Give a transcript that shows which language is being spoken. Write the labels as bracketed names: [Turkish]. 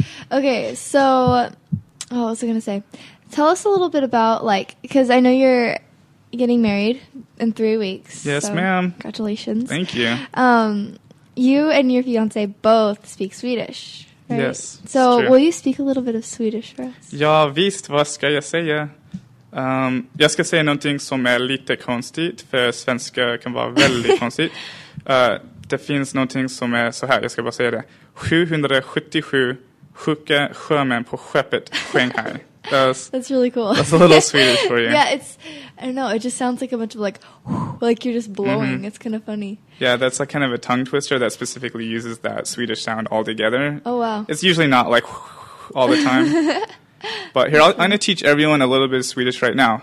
[English] Okay, so what was I going to say? Tell us a little bit about, because I know you're getting married in 3 weeks. Yes, so ma'am. Congratulations. Thank you. You and your fiancé both speak Swedish, right? Yes, so will you speak a little bit of Swedish for us? [Swedish] Ja, visst, vad ska jag säga? Jag ska säga någonting som är lite konstigt, för svenska kan vara väldigt konstigt. Det finns någonting som är så här, jag ska bara säga det. 777 sjuka sjömän på skeppet Shanghai. [English] That's really cool. That's a little Swedish for you. Yeah, it's, I don't know, it just sounds like a bunch of like you're just blowing. Mm-hmm. It's kind of funny. Yeah, that's a kind of a tongue twister that specifically uses that Swedish sound altogether. Oh, wow. It's usually not like all the time. But here, I'm going to teach everyone a little bit of Swedish right now.